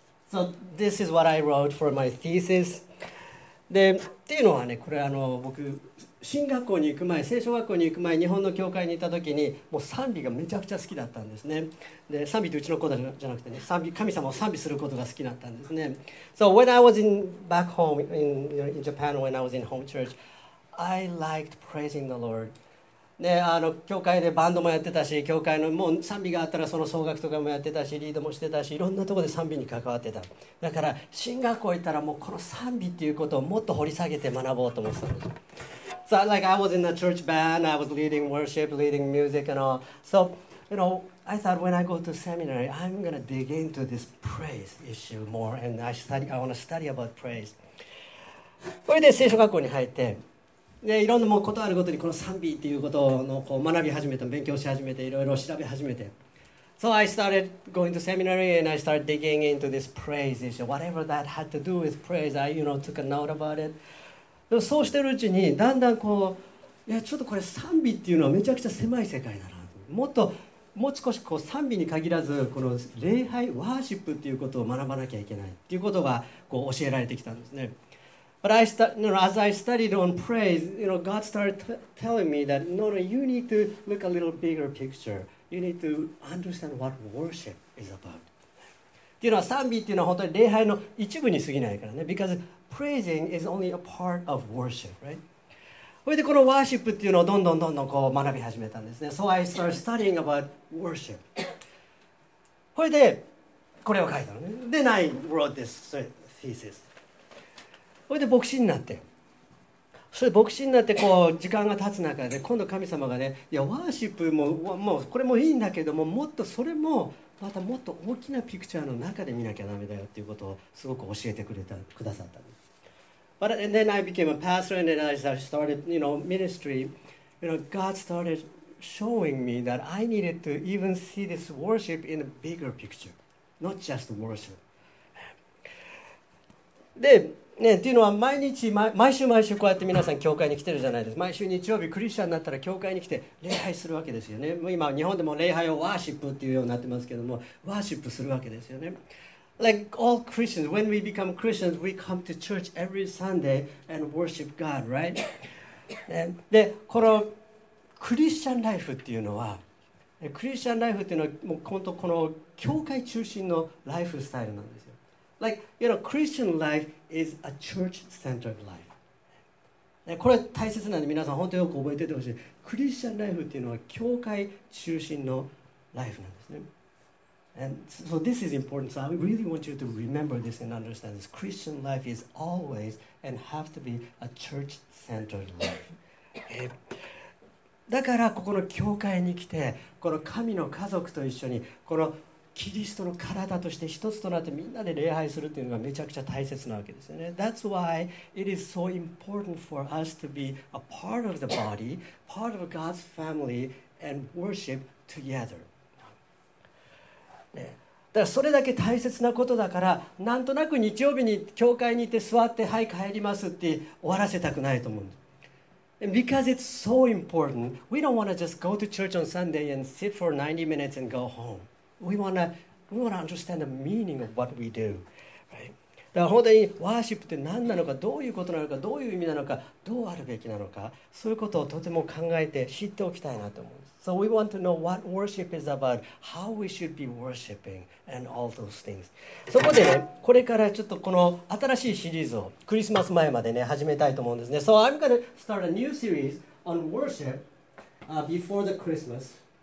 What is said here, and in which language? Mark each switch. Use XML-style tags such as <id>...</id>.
<en>So this is what I wrote for my thesis.</en> <ja>で、っていうのはね、これ僕、新学校に行く前、聖書学校に行く前、日本の教会にいた時に、もう賛美がめちゃくちゃ好きだったんですね。で、賛美ってうちの子だじゃなくてね、賛美、神様を賛美することが好きだったんですね。</ja> <en>So when I was in back home in Japan, when I was in home church, I liked praising the Lord.</en> <ja>で、教会でバンドもやってたし、教会のもう賛美があったらその奏楽とかもやってたし、リードもしてたし、いろんなところで賛美に関わってた。だから新学校行ったらもうこの賛美っていうことをもっと掘り下げて学ぼうと思ってたんです。</ja> <en>So like I was in the church band, I was leading worship, leading music and all. So, you know, I thought when I go to seminary, I'm going to dig into this praise issue more and I want to study about praise.</en> <ja>それで聖書学校に入って、でいろんなもうことあるごとにこの賛美っていうことのこう学び始めて、勉強し始めて、いろいろ調べ始めて。</ja> <en>So I started going to seminary and I started digging into this praise issue. Whatever that had to do with praise, I, you know, took a note about it.</en> <ja>そうしてるうちにだんだんこういやちょっとこれ賛美っていうのはめちゃくちゃ狭い世界だなもっともう少しこう賛美に限らずこの礼拝ワーシップっていうことを学ばなきゃいけないっていうことがこう教えられてきたんですね。</ja> <en>But I as I studied on praise, you know, God started telling me that no, you need to look a little bigger picture. You need to understand what worship is about.</en> <ja>っていうのは賛美っていうのは本当に礼拝の一部に過ぎないからね。</ja> <en>BecausePraising is only a part of worship, right?</en> <ja>それでこのワーシップっていうのをどんどんどんどんこう学び始めたんですね。</ja> <en>So I started studying about worship.</en> <ja>それでこれを書いたのね。</ja> <en>Then I wrote this thesis.</en> <ja>それで牧師になって。それで牧師になってこう時間が経つ中で今度神様がね、いやワーシップももうこれもいいんだけどももっとそれもまたもっと大きなピクチャーの中で見なきゃダメだよっていうことをすごく教えてくださったんです。</ja> <en>But and then I became a pastor and then as I started, you know, ministry, you know, God started showing me that I needed to even see this worship in a bigger picture, not just worship.</en> <ja>で、ね、っていうのは毎日、毎週毎週こうやって皆さん教会に来てるじゃないですか。毎週日曜日クリスチャンになったら教会に来て礼拝するわけですよね。もう今日本でも礼拝をワーシップっていうようになってますけども、ワーシップするわけですよね。</ja> <en>Like all Christians, when we become Christians, we come to church every Sunday and worship God, right?</en> <ja>で、このクリスチャンライフっていうのは、クリスチャンライフっていうのはもう本当この教会中心のライフスタイルなんですよ。</ja> <en>Like, you know, Christian life is a church-centered life.</en> <ja>で、これ大切なんで皆さん本当によく覚えててほしい。クリスチャンライフっていうのは教会中心のライフなんですね。</ja> <en>And so this is important. So I really want you to remember this and understand this. Christian life is always and have to be a church-centered life.</en> <ja>だからここの教会に来て、この神の家族と一緒に、このキリストの体として一つとなってみんなで礼拝するっていうのがめちゃくちゃ大切なわけですよね。</ja> <en>That's why it is so important for us to be a part of the body, part of God's family, and worship together.</en> <ja>ね、だからそれだけ大切なことだからなんとなく日曜日に教会に行って座ってはい帰りますって終わらせたくないと思う。</ja> <en>Because it's so important, we don't want to just go to church on Sunday and sit for 90 minutes and go home. We want to understand the meaning of what we do, right?</en> <ja>だから本当にワーシップって何なのか、どういうことなのか、どういう意味なのか、どうあるべきなのか、そういうことをとても考えて知っておきたいなと思うんです。</ja> <en>So we want to know what worship is about, how we should be worshiping, and all those things.</en> <ja>そこでね、これからちょっとこの新しいシリーズをクリスマス前までね、始めたいと思うんですね。</ja> <en>So I'm going to start a new series on worship、before the Christmas.</en>